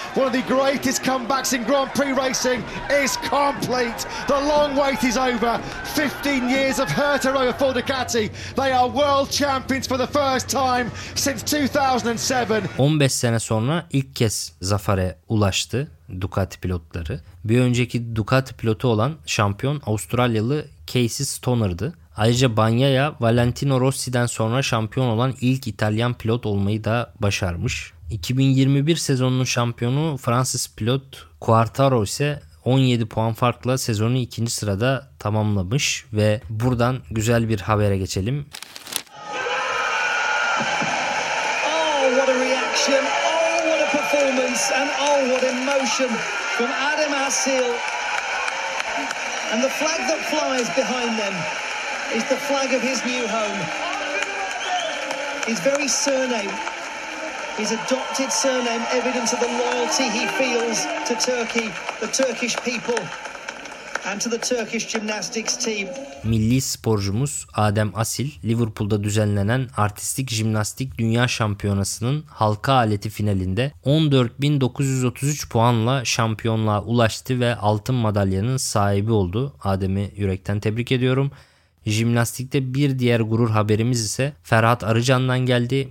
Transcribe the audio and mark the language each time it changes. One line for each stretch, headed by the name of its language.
English: One of the greatest comebacks in Grand Prix racing is complete. The long wait is over. 15 years of hurt are over for Ducati. They are world champions for the first time since 2007.
Turkish: 15 sene sonra ilk kez zafere ulaştı Ducati pilotları. Bir önceki Ducati pilotu olan şampiyon Avustralyalı Casey Stoner'dı. Ayrıca Bagnaia Valentino Rossi'den sonra şampiyon olan ilk İtalyan pilot olmayı da başarmış. 2021 sezonunun şampiyonu Fransız pilot Quartararo ise 17 puan farkla sezonu ikinci sırada tamamlamış ve buradan güzel bir habere geçelim.
English: Oh what a reaction, oh what a performance and oh what emotion from Adam Hassill and the flag that flies behind them. Is the flag of his new home. His very surname, his adopted surname, evidence of the loyalty he feels to Turkey, the Turkish people. and to the Turkish gymnastics team.
Turkish: Milli sporcumuz Adem Asil, Liverpool'da düzenlenen artistik jimnastik dünya şampiyonasının halka aleti finalinde 14.933 puanla şampiyonluğa ulaştı ve altın madalyanın sahibi oldu. Adem'i yürekten tebrik ediyorum. Jimnastikte bir diğer gurur haberimiz ise Ferhat Arıcan'dan geldi.